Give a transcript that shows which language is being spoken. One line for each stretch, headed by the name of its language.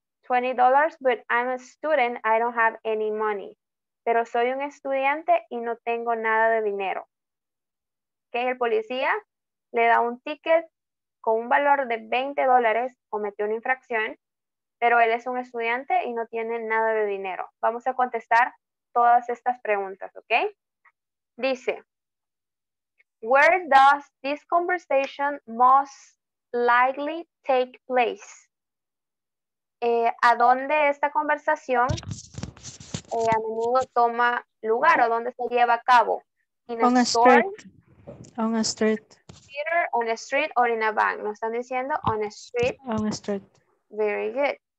English: $20, but I'm a student, I don't have any money.
Spanish: Pero soy un estudiante y no tengo nada de dinero. ¿Qué? El policía le da un ticket con un valor de $20, cometió una infracción, pero él es un estudiante y no tiene nada de dinero. Vamos a contestar todas estas preguntas, ¿ok? Dice,
English: where does this conversation most likely take place?
Spanish: ¿A dónde esta conversación a menudo toma lugar o dónde se lleva a cabo?
English: In a on a store, street. On a street. Theater, on a street or in a bank.
Spanish: Nos están diciendo
English: on a street. On a street. Very good.